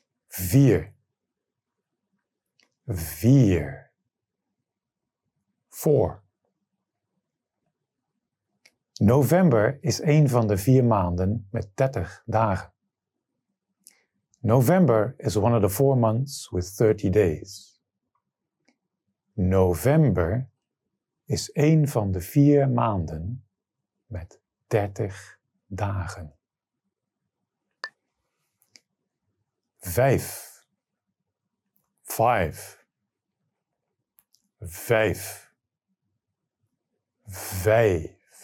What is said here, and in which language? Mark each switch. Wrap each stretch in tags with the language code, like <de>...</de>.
<nl>4. 4. 4. November is een van de 4 maanden met 30 dagen.</nl> <en>November is one of the 4 months with 30 days.</en> <nl>November is een van de 4 maanden met 30 dagen. 5. 5. 5. Vijf.</nl>